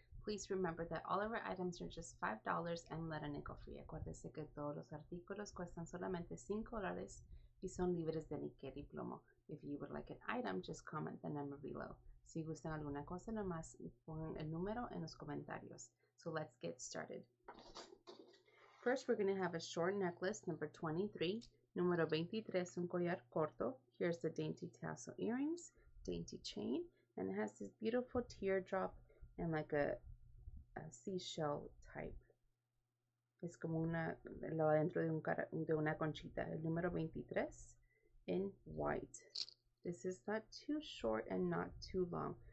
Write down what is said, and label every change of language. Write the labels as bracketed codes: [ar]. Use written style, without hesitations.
[en] Please remember that all of our items are just $5 and let a nickel free. [es] Acuérdese que todos los artículos cuestan solamente $5 y son libres de níquel y plomo. [en] If you would like an item, just comment the number below. [es] Si gustan alguna cosa, nomás pongan el número en los comentarios. [en] So let's get started. First, we're going to have a short necklace, number 23. [es] Número 23, un collar corto. [en] Here's the dainty tassel earrings, dainty chain, and it has this beautiful teardrop and like a seashell type. [es] Es como una, lo adentro de, un cara, de una conchita. El número 23 [en] in white. This is not too short and not too long.